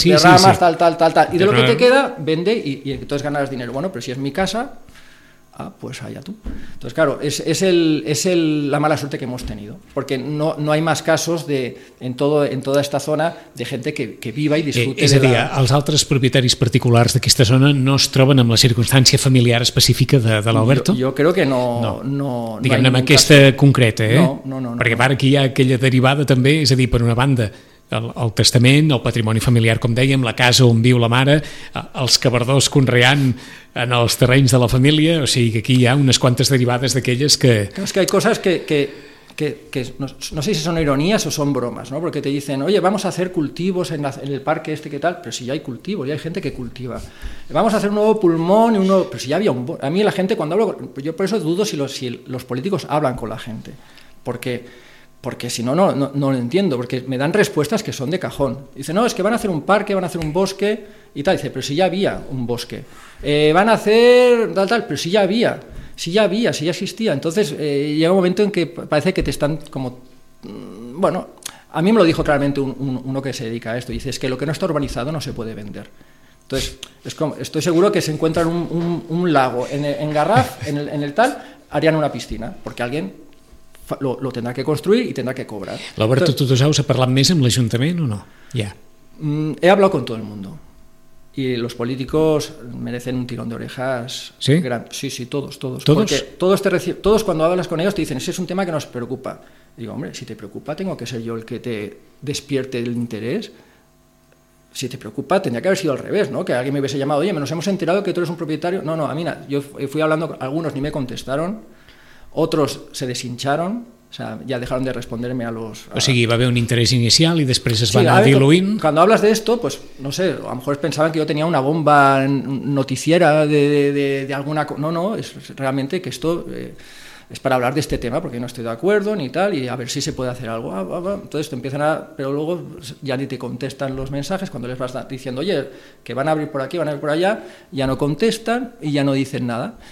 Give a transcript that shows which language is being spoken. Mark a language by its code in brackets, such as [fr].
[es] sí. tal. Y de lo que te queda, vende y entonces ganarás dinero. Bueno, pero si es mi casa, pues allá tú. Entonces, claro, es la mala suerte que hemos tenido. Porque no hay más casos en toda esta zona de gente que viva y disfrute. [ca] És a dir, els altres propietaris particulars d'aquesta zona no es troben amb la circumstància familiar específica de l'Alberto? Jo crec que no. Diguem-ne amb aquesta concreta, No. Perquè ara aquí hi ha aquella derivada també, és a dir, per una banda... El testament, el patrimoni familiar, com dèiem, la casa on viu la mare, els cabardors conreant en els terrenys de la família, o sigui que aquí hi ha unes quantes derivades d'aquelles que... És que hi ha coses que no sé si són ironies o són bromes, ¿no? [es] Porque te dicen, oye, vamos a hacer cultivos en el parque este, ¿qué tal? Pero si ya hay cultivos, ya hay gente que cultiva. Vamos a hacer un nuevo pulmón y un nuevo... Pero si ya había un... A mí la gente, cuando hablo... Yo por eso dudo si los políticos hablan con la gente, porque si no lo entiendo, porque me dan respuestas que son de cajón. Dice, no, es que van a hacer un parque, van a hacer un bosque y tal. Dice, pero si ya había un bosque. Van a hacer tal, pero si ya había, si ya existía. Entonces llega un momento en que parece que te están como... Bueno, a mí me lo dijo claramente uno que se dedica a esto. Dice, es que lo que no está urbanizado no se puede vender. Entonces, es como, estoy seguro que se encuentran un lago en Garraf, en el tal, harían una piscina, porque alguien... lo tendrá que construir y tendrá que cobrar. [ca] L'Alberto, tu ja us ha parlat més amb l'Ajuntament o no? Ja. [es] He hablado con todo el mundo. Y los políticos merecen un tirón de orejas. ¿Sí? Sí, todos. ¿Todos? Porque todos cuando hablas con ellos te dicen, ese es un tema que nos preocupa. Y digo, hombre, si te preocupa tengo que ser yo el que te despierte el interés. Si te preocupa, tendría que haber sido al revés, ¿no? Que alguien me hubiese llamado, oye, nos hemos enterado que tú eres un propietario. No, a mí nada. Yo fui hablando, algunos ni me contestaron. Otros se deshincharon, O sea, ya dejaron de responderme a los... [ca] O sigui, va haver un interès inicial i després es va anar diluint. [es] Cuando hablas de esto, pues no sé, a lo mejor pensaban que yo tenía una bomba noticiera de alguna... No, no, es realmente que esto es para hablar de este tema porque no estoy de acuerdo ni tal, y a ver si se puede hacer algo. Entonces te empiezan a... Pero luego ya ni te contestan los mensajes cuando les vas diciendo, oye, que van a abrir por aquí, van a abrir por allá, ya no contestan y ya no dicen nada.